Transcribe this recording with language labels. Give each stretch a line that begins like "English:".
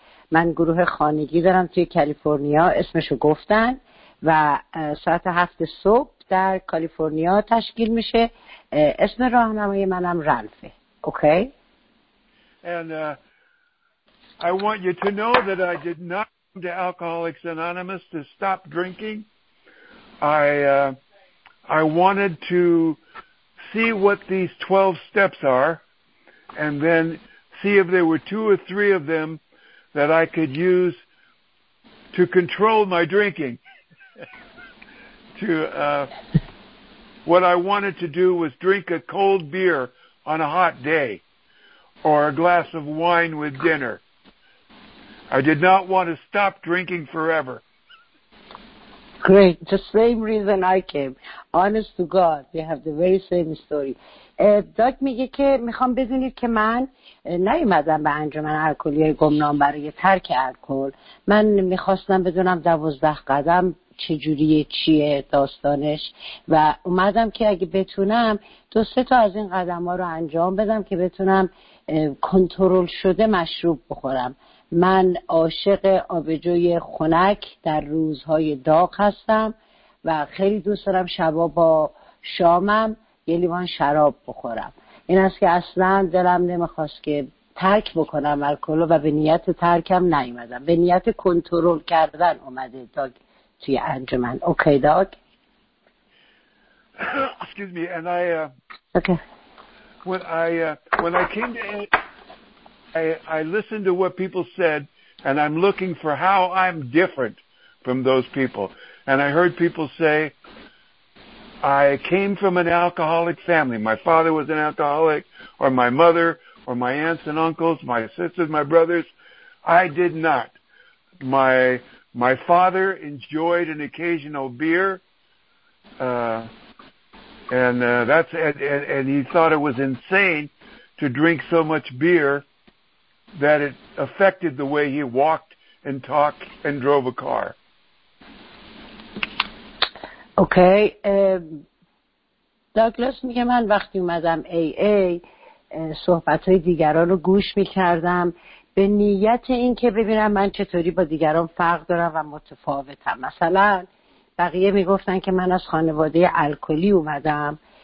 Persian: من گروه خانگی دارم توی کالیفرنیا، اسمشو گفتن و ساعت 7 صبح در کالیفرنیا تشکیل میشه. اسم راهنمای منم رالفه. اوکی.
English: And I want you to know that I did not come to Alcoholics Anonymous to stop drinking. I wanted to see what these 12 steps are and then see if there were two or three of them that I could use to control my drinking. To what I wanted to do was drink a cold beer on a hot day or a glass of wine with dinner. I did not want to stop drinking forever. Great. The same reason I came. Honest to God, we have the very same story.
Persian: داک میگه که میخوام بدونید که من نیومدم به انجمن الکلی گمنام برای ترک الکل. من میخواستم بدونم 12 قدم چجوریه، چیه داستانش، و اومدم که اگه بتونم 2-3 از این قدم ها رو انجام بدم که بتونم کنترل شده مشروب بخورم. من عاشق آبجوی خنک در روزهای داغ هستم و خیلی دوست دارم شبا با شامم یه لیوان شراب بخورم. این است که اصلا دلم نمیخواست که ترک بکنم الکلو و به نیت ترکم نیومدم، به نیت کنترل کردن اومده داگ توی انجمن. اوکی داگ.
English: Excuse me. And I when I came to I listened to what people said and I'm looking for how I'm different from those people. And I heard people say I came from an alcoholic family. My father was an alcoholic, or my mother, or my aunts and uncles, my sisters, my brothers. I did not. My father enjoyed an occasional beer, and he thought it was insane to drink so much beer that it affected the way he walked and talked and drove a car. Okay.
Persian: داگلاس میگه من وقتی اومدم AA صحبت‌های دیگران رو گوش می‌کردم به نیت این که ببینم من چطوری با دیگران فرق دارم و متفاوتم. مثلا بقیه میگفتن که من از خانواده الکلی اومدم